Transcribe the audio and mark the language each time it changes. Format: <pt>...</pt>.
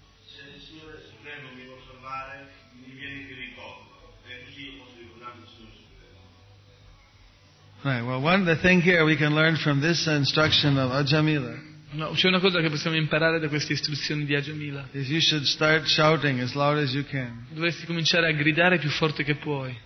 <it>Se il Signore Supremo mi può salvare, mi viene che ricordo, e così io posso ricordare il Signore Supremo.</it> <en>Right, well, one of the things here we can learn from this instruction of Ajamila.</en> <it>No, c'è una cosa che possiamo imparare da queste istruzioni di Ajamila.</it> <en>Is you should start shouting as loud as you can.</en> <it>Dovresti cominciare a gridare più forte che puoi.</it>